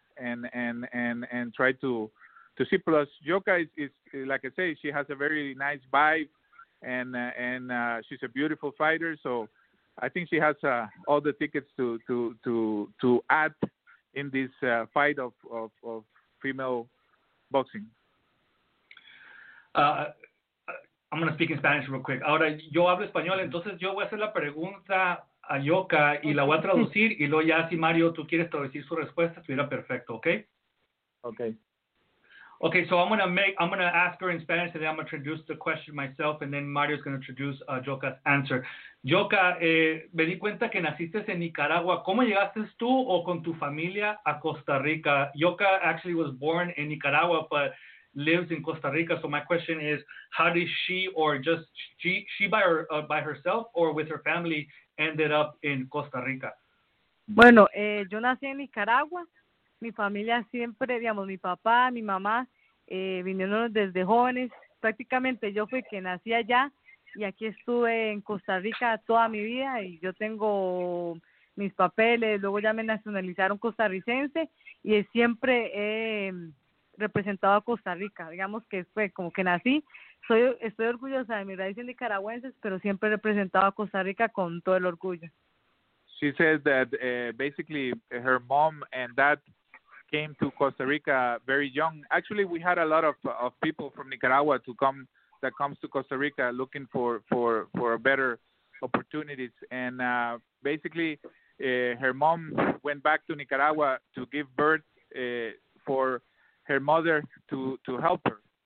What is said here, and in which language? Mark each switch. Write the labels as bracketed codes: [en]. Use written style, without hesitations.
[en] And try to see. Plus, Joka is like I say, she has a very nice vibe, and she's a beautiful fighter. So I think she has all the tickets to add in this fight of female boxing. I'm gonna speak in Spanish real quick. [es] Ahora yo hablo español, entonces yo voy a hacer la pregunta a Joka y la voy a traducir y luego ya si Mario tú quieres traducir su respuesta estuviera perfecto, ¿ok? [en] Okay, so I'm gonna ask her in Spanish and then I'm gonna introduce the question myself and then Mario's gonna introduce Joka's answer. [es] Joka, me di cuenta que naciste en Nicaragua. ¿Cómo llegaste tú o con tu familia a Costa Rica? [en] Joka actually was born in Nicaragua but lives in Costa Rica. So my question is, how did she or just she by her by herself or with her family ended up in Costa Rica? [es] Bueno, yo nací en Nicaragua. Mi familia siempre, digamos, mi papá, mi mamá, vinieron desde jóvenes. Prácticamente yo fui que nací allá y aquí estuve en Costa Rica toda mi vida y yo tengo mis papeles. Luego ya me nacionalizaron costarricense y siempre he representado a Costa Rica. Digamos que fue como que nací. Estoy orgullosa de mis raíces nicaragüenses, pero siempre he representado a Costa Rica con todo el orgullo. [en] She says that basically her mom and dad came to Costa Rica very young. Actually, we had a lot of people from Nicaragua that comes to Costa Rica looking for better opportunities. And basically, her mom went back to Nicaragua to give birth for her mother to help her.